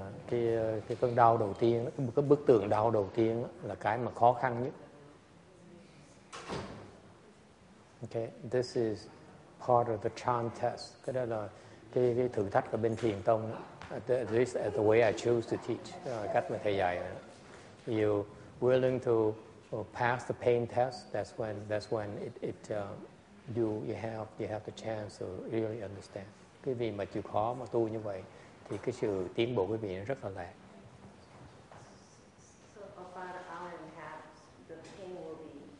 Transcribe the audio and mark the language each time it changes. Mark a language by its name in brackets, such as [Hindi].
[Vietnamese] Cái cơn đau đầu tiên, cái bức tường đau đầu tiên là cái mà khó khăn nhất. [English] Okay, this is part of the charm test. [Vietnamese] Cái đó là cái thử thách ở bên thiền tông. [English] This is the way I choose to teach. [Vietnamese] Cách mà thầy dạy. [English] You willing to pass the pain test? That's when you have the chance to really understand. [Vietnamese] Quý vị mà chịu khó mà tu như vậy thì cái sự tiến bộ quý vị nó rất là lẹ. [English] So about an hour and a half, the pain will be...